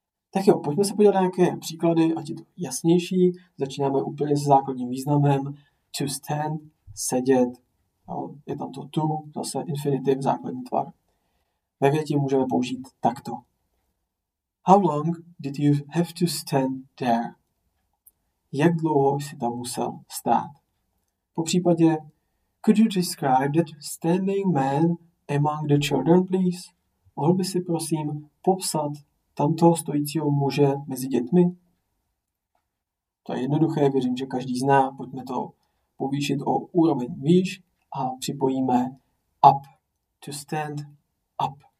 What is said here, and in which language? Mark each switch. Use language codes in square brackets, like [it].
[cs] Tak jo, pojďme se podívat na nějaké příklady, ať je to jasnější. Začínáme úplně se základním významem. To stand, sedět. Jo, je tam to to, zase infinitiv, základní tvar. Ve větě můžeme použít takto. [en] How long did you have to stand there? [cs] Jak dlouho jsi tam musel stát? Po případě, [en] could you describe that standing man among the children, please? [cs] Mohl by si prosím popsat tamtoho stojícího muže mezi dětmi? To je jednoduché, věřím, že každý zná. Pojďme to povýšit o úroveň výš a připojíme up, to stand up.